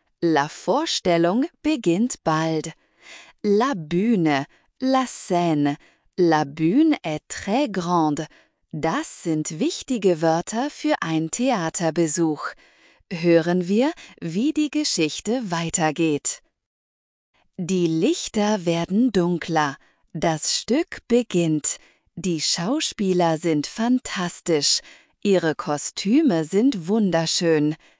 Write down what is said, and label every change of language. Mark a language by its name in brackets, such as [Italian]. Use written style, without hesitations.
[German] La Vorstellung beginnt bald. La Bühne. [French] La scène. La bühne est très grande. [German] Das sind wichtige Wörter für einen Theaterbesuch. Hören wir, wie die Geschichte weitergeht. Die Lichter werden dunkler. Das Stück beginnt. Die Schauspieler sind fantastisch. Ihre Kostüme sind wunderschön.